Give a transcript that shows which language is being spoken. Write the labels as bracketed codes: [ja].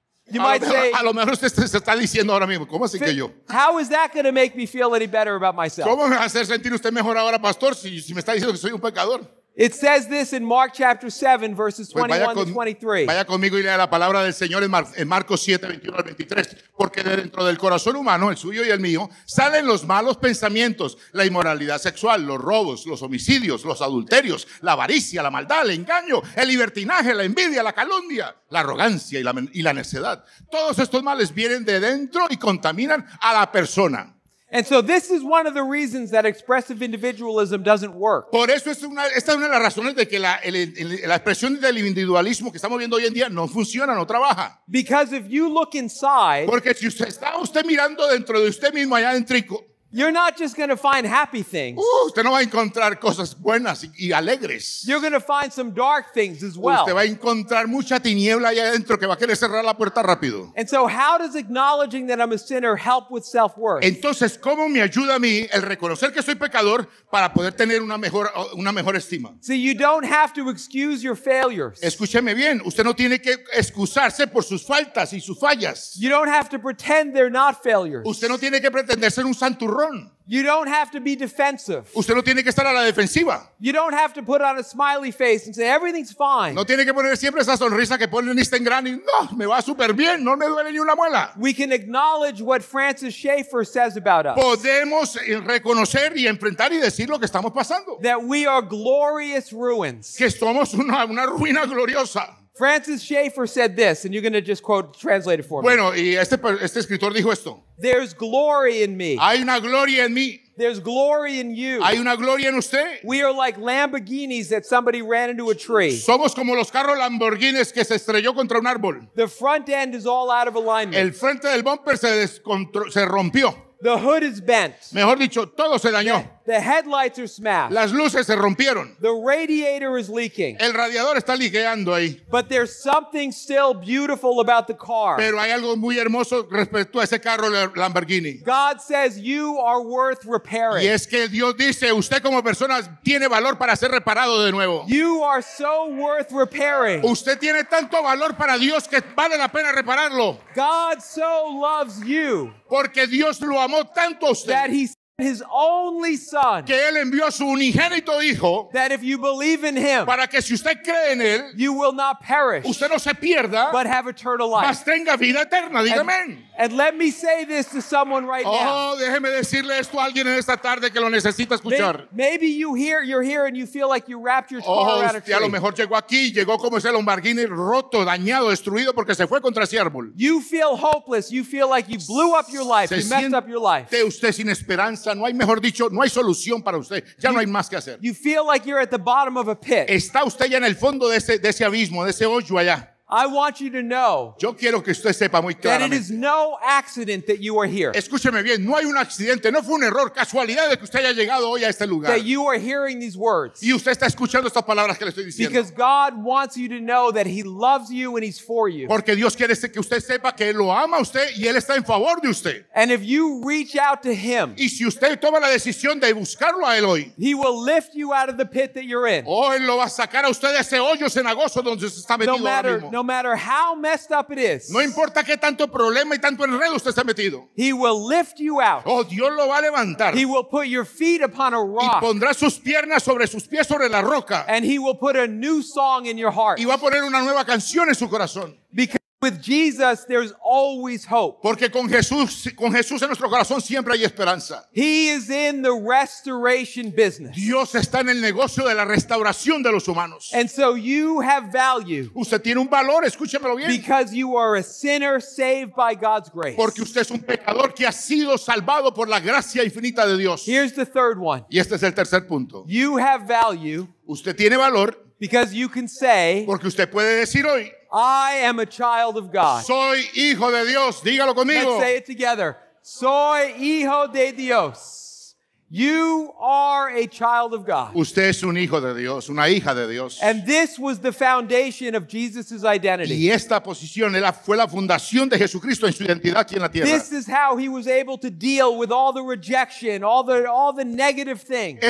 [es] a lo mejor usted se está diciendo ahora mismo, ¿cómo así que yo? [en] How is that going to make me feel any better about myself? [es] ¿Cómo me va a hacer sentir usted mejor ahora, pastor, si me está diciendo que soy un pecador? [en] It says this in Mark chapter 7, verses 21-23. [es] Vaya conmigo y lea la palabra del Señor en Marcos 7, 21-23. Porque de dentro del corazón humano, el suyo y el mío, salen los malos pensamientos, la inmoralidad sexual, los robos, los homicidios, los adulterios, la avaricia, la maldad, el engaño, el libertinaje, la envidia, la calumnia, la arrogancia y la necedad. Todos estos males vienen de dentro y contaminan a la persona. [en] And so this is one of the reasons that expressive individualism doesn't work. [es] Por eso esta es una de las razones de que la expresión del individualismo que estamos viendo hoy en día no funciona, no trabaja. [en] Because if you look inside, [es] porque si usted está mirando dentro de usted mismo allá adentro, [en] you're not just going to find happy things. [es] Usted no va a encontrar cosas buenas y alegres. [en] You're going to find some dark things as well. [es] Usted va a encontrar mucha tiniebla allá adentro que va a querer cerrar la puerta rápido. [en] And so how does acknowledging that I'm a sinner help with self-worth? [es] Entonces, ¿cómo me ayuda a mí el reconocer que soy pecador para poder tener una mejor estima? [en] See, you don't have to excuse your failures. [es] Escúcheme bien. Usted no tiene que excusarse por sus faltas y sus fallas. [en] You don't have to pretend they're not failures. [es] Usted no tiene que pretender ser un santo. [en] You don't have to be defensive. [es] Usted no tiene que estar a la defensiva. [en] You don't have to put on a smiley face and say everything's fine. [es] No tiene que poner siempre esa sonrisa que ponen este gran y no, me va súper bien, no me duele ni una muela. [en] We can acknowledge what Francis Schaeffer says about us. [es] Podemos reconocer y enfrentar y decir lo que estamos pasando. [en] That we are glorious ruins. [es] Que somos una ruina gloriosa. [en] Francis Schaeffer said this, and you're going to just quote, translate it for me. [es] Bueno, y este escritor dijo esto. [en] There's glory in me. [es] Hay una gloria en mí. [en] There's glory in you. [es] Hay una gloria en usted. [en] We are like Lamborghinis that somebody ran into a tree. [es] Somos como los carros Lamborghinis que se estrelló contra un árbol. [en] The front end is all out of alignment. [es] El frente del bumper se rompió. [en] The hood is bent. [es] Mejor dicho, todo se dañó. [en] The headlights are smashed. [es] Las luces se rompieron. [en] The radiator is leaking. [es] El radiador está liqueando ahí. [en] But there's something still beautiful about the car. [es] Pero hay algo muy hermoso respecto a ese carro Lamborghini. [en] God says you are worth repairing. [es] Y es que Dios dice, usted como persona tiene valor para ser reparado de nuevo. [en] You are so worth repairing. [es] Usted tiene tanto valor para Dios que vale la pena repararlo. [en] God so loves you. [es] Porque Dios lo amó tanto a usted. [en] That he His only son. [es] Que él envió a su unigénito hijo. [en] That if you believe in him. [es] Para que si usted cree en él. [en] You will not perish. [es] Usted no se pierda. [en] But have eternal life. [es] Mas tenga vida eterna. Diga amén. [en] And let me say this to someone right now. [es] Oh, déjeme decirle esto a alguien en esta tarde que lo necesita escuchar. [en] Maybe you're here and you feel like you wrapped your car around a tree. [es] A lo mejor llegó aquí, llegó como ese Lamborghini roto, dañado, destruido porque se fue contra ese árbol. [en] You feel hopeless. You feel like you blew up your life. You messed up your life. [es] Siente usted sin esperanza. No hay, mejor dicho, no hay solución para usted. Ya no hay más que hacer. [en] You feel like you're at the bottom of a pit. [es] Está usted ya en el fondo de ese abismo, de ese hoyo allá. [en] I want you to know. [es] Yo quiero que usted sepa muy claramente. [en] That it is no accident that you are here. [es] Escúcheme bien. No hay un accidente. No fue un error, casualidad de que usted haya llegado hoy a este lugar. [en] That you are hearing these words. [es] Y usted está escuchando estas palabras que le estoy diciendo. [en] Because God wants you to know that He loves you and He's for you. [es] Porque Dios quiere que usted sepa que Él lo ama a usted y Él está en favor de usted. [en] And if you reach out to Him. [es] Y si usted toma la decisión de buscarlo a Él hoy. [en] He will lift you out of the pit that you're in. [es] Él lo va a sacar a usted de ese hoyo cenagoso donde se está metido ahora mismo. [en] No matter how messed up it is. [es] No importa qué tanto problema y tanto enredo usted esté metido. [en] He will lift you out. [es] Oh, Dios lo va a levantar. [en] He will put your feet upon a rock. [es] Y pondrá sus piernas sobre sus pies sobre la roca. [en] And he will put a new song in your heart. [es] Y va a poner una nueva canción en su corazón. [en] Because with Jesus there's always hope. [es] Porque con Jesús en nuestro corazón siempre hay esperanza. [en] He is in the restoration business. [es] Dios está en el negocio de la restauración de los humanos. [en] And so you have value. [es] Usted tiene un valor, escúchemelo bien. [en] Because you are a sinner saved by God's grace. [es] Porque usted es un pecador que ha sido salvado por la gracia infinita de Dios. [en] Here's the third one. [es] Y este es el tercer punto. [en] You have value. [es] Usted tiene valor. [en] Because you can say. [es] Porque usted puede decir hoy. [en] I am a child of God. [es] Soy hijo de Dios. Dígalo conmigo. [en] Let's say it together. [es] Soy hijo de Dios. [en] You are a child of God. [es] Usted es un hijo de Dios, una hija de Dios. [en] And this was the foundation of Jesus' identity. [es] Y esta posición fue la fundación de Jesucristo en su identidad aquí en la tierra. [en] This is how he was able to deal with all the rejection, all the negative things.